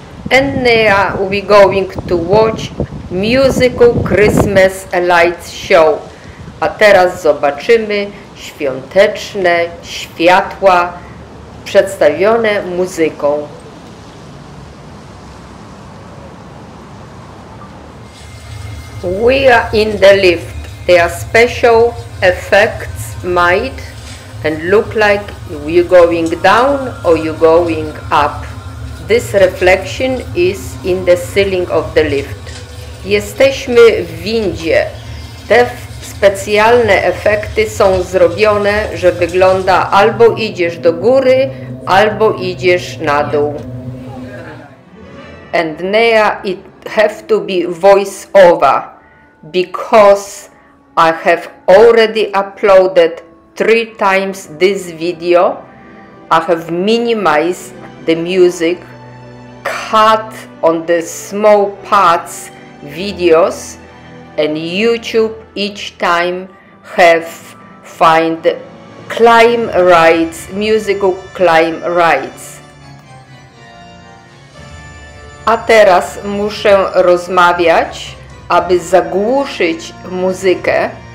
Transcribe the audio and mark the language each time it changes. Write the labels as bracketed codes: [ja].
[en] And now we're going to watch musical Christmas Lights Show. [pl] A teraz zobaczymy świąteczne światła przedstawione muzyką. [en] We are in the lift. There are special effects made and look like you're going down or you're going up. This reflection is in the ceiling of the lift. [pl] Jesteśmy w windzie. Te specjalne efekty są zrobione, że wygląda albo idziesz do góry, albo idziesz na dół. [en] And now it have to be voice over, because I have already uploaded 3 times this video. I have minimized the music, cut on the small parts videos, and YouTube each time have find claim rights, musical claim rights. [pl] A teraz muszę rozmawiać, aby zagłuszyć muzykę.